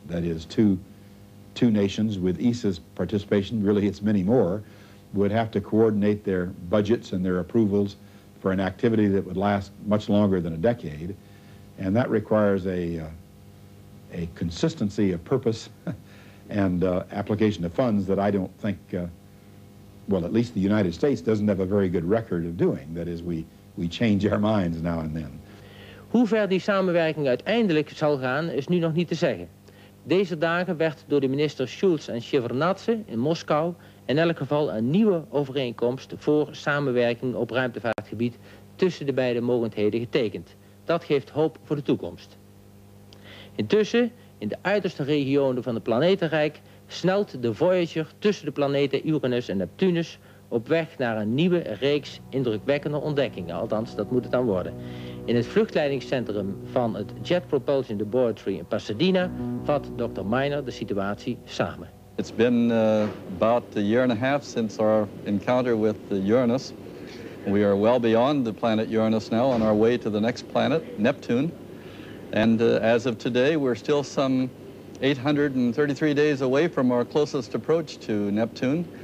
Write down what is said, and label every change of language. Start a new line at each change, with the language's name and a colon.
English: That is, two nations with ESA's participation, really it's many more, would have to coordinate their budgets and their approvals for an activity that would last much longer than a decade. And that requires a consistency of purpose and application of funds that I don't think, well, at least the United States doesn't have a very good record of doing. That is, we change our minds now and then.
Dutch: Hoe ver die samenwerking uiteindelijk zal gaan, is nu nog niet te zeggen. Deze dagen werd door de minister Schulz en Shevardnadze in Moskou in elk geval een nieuwe overeenkomst voor samenwerking op ruimtevaartgebied tussen de beide mogendheden getekend. Dat geeft hoop voor de toekomst. Intussen, in de uiterste regionen van het planetenrijk, snelt de Voyager tussen de planeten Uranus en Neptunus op weg naar een nieuwe reeks indrukwekkende ontdekkingen. Althans, dat moet het dan worden. In het vluchtleidingscentrum van het Jet Propulsion Laboratory in Pasadena vat Dr. Miner de situatie samen.
English: It's been about a year and a half since our encounter with Uranus. We are well beyond the planet Uranus now on our way to the next planet, Neptune. And as of today, we're still some 833 days away from our closest approach to Neptune.